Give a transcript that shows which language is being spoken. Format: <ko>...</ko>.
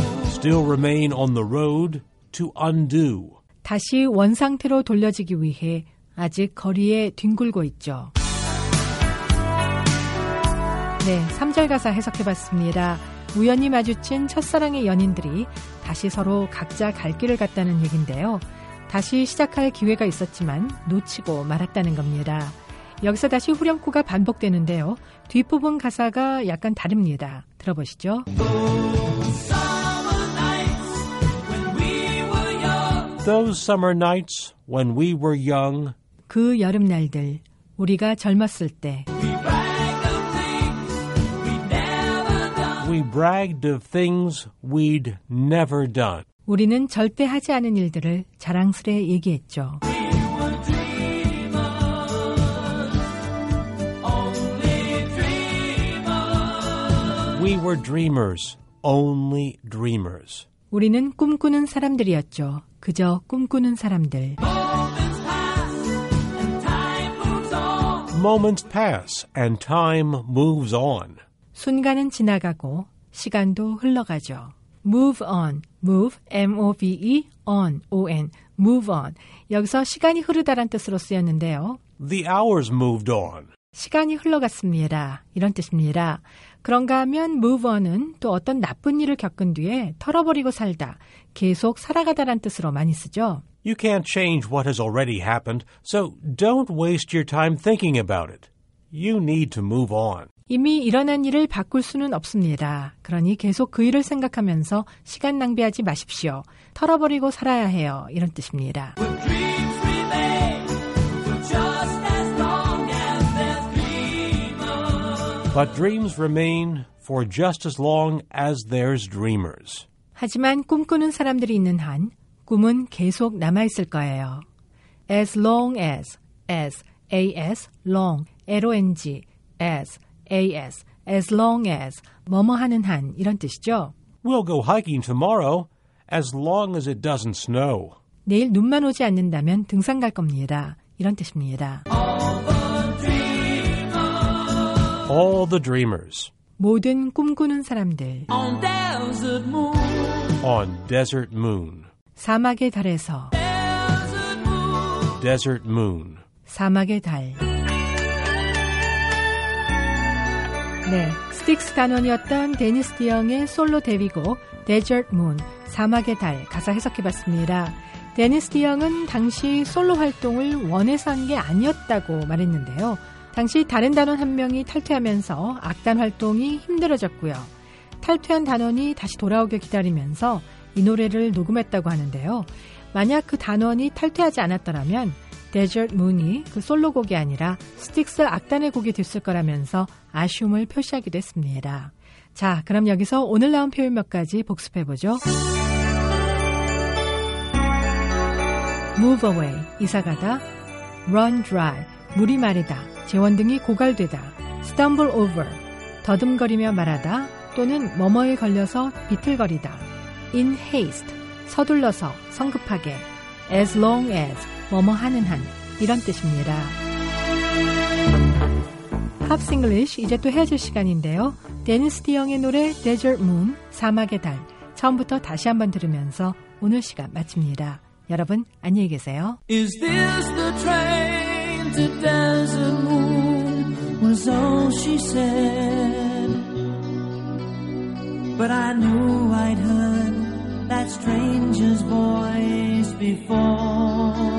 <en>Still remain on the road to undo.</en> <ko>다시 원상태로 돌려지기 위해 아직 거리에 뒹굴고 있죠. 네, 3절 가사 해석해봤습니다. 우연히 마주친 첫사랑의 연인들이 다시 서로 각자 갈 길을 갔다는 얘긴데요. 다시 시작할 기회가 있었지만 놓치고 말았다는 겁니다. 여기서 다시 후렴구가 반복되는데요. 뒷부분 가사가 약간 다릅니다. 들어보시죠.</ko> <en>Those summer nights when we were young.</en> <ko>그 여름날들 우리가 젊었을 때.</ko> <en>We bragged of things we'd never done.</en> <ko>우리는 절대 하지 않은 일들을 자랑스레 얘기했죠.</ko> <en>We were dreamers, only dreamers. We were dreamers, only dreamers.</en> <ko>우리는 꿈꾸는 사람들이었죠. 그저 꿈꾸는 사람들.</ko> <en>Moments pass and time moves on.</en> <ko>순간은 지나가고 시간도 흘러가죠.</ko> <en>Move on, move, M-O-V-E, on, O-N, move on.</en> <ko>여기서 시간이 흐르다란 뜻으로 쓰였는데요.</ko> <en>The hours moved on.</en> <ko>시간이 흘러갔습니다. 이런 뜻입니다. 그런가 하면 move on은 또 어떤 나쁜 일을 겪은 뒤에 털어버리고 살다, 계속 살아가다란 뜻으로 많이 쓰죠.</ko> <en>You can't change what has already happened, so don't waste your time thinking about it. You need to move on.</en> <ko>이미 일어난 일을 바꿀 수는 없습니다. 그러니 계속 그 일을 생각하면서 시간 낭비하지 마십시오. 털어버리고 살아야 해요. 이런 뜻입니다.</ko> <en>But dreams remain for just as long as there's dreamers.</en> <ko>하지만 꿈꾸는 사람들이 있는 한 꿈은 계속 남아있을 거예요.</ko> <en>As long as, A-S, long, L-O-N-G, as, A-S, as long as,</en> <ko>뭐뭐 하는 한, 이런 뜻이죠.</ko> <en>We'll go hiking tomorrow, as long as it doesn't snow.</en> <ko>내일 눈만 오지 않는다면 등산 갈 겁니다. 이런 뜻입니다.</ko> <en>All the dreamers.</en> <ko>모든 꿈꾸는 사람들.</ko> <en>On desert moon. On desert moon.</en> <ko>사막의 달에서.</ko> <en>Desert moon. Desert moon.</en> <ko>사막의 달. 네, 스틱스 단원이었던 데니스 디영의 솔로 데뷔곡 Desert Moon, 사막의 달 가사 해석해봤습니다. 데니스 디영은 당시 솔로 활동을 원해서 한 게 아니었다고 말했는데요. 당시 다른 단원 한 명이 탈퇴하면서 악단 활동이 힘들어졌고요. 탈퇴한 단원이 다시 돌아오길 기다리면서 이 노래를 녹음했다고 하는데요. 만약 그 단원이 탈퇴하지 않았더라면 Desert Moon이 그 솔로곡이 아니라 스틱스 악단의 곡이 됐을 거라면서 아쉬움을 표시하기도 했습니다. 자, 그럼 여기서 오늘 나온 표현 몇 가지 복습해보죠.</ko> <en>Move away,</en> <ko>이사가다.</ko> <en>Run dry,</en> <ko>물이 마르다. 재원 등이 고갈되다.</ko> <en>Stumble over,</en> <ko>더듬거리며 말하다. 또는 뭐뭐에 걸려서 비틀거리다. In haste, 서둘러서, 성급하게. As long as, 뭐뭐 하는 한, 이런 뜻입니다. Hops English, 이제 또 헤어질 시간인데요. 데니스 디영의 노래 Desert Moon, 사막의 달. 처음부터 다시 한번 들으면서 오늘 시간 마칩니다. 여러분 안녕히 계세요.</ko> <en>Is this the train to Desert Moon? Was all she said. But I knew I'd heard that stranger's voice before.</en>